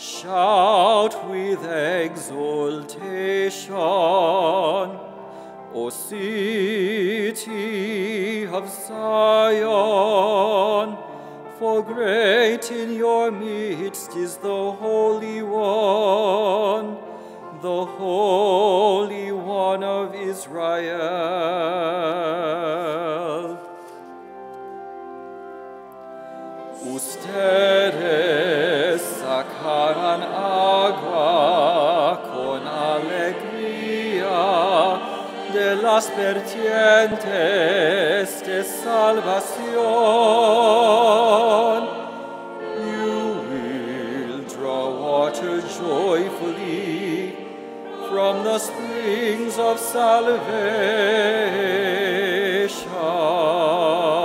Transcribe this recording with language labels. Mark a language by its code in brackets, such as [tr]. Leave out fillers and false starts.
[en] Shout with exultation, O city of Zion, for great in your midst is the Holy One, the Holy One of Israel. [es] Ustedes sacarán agua con alegría de las vertientes de salvación. [en] You will draw water joyfully from the springs of salvation.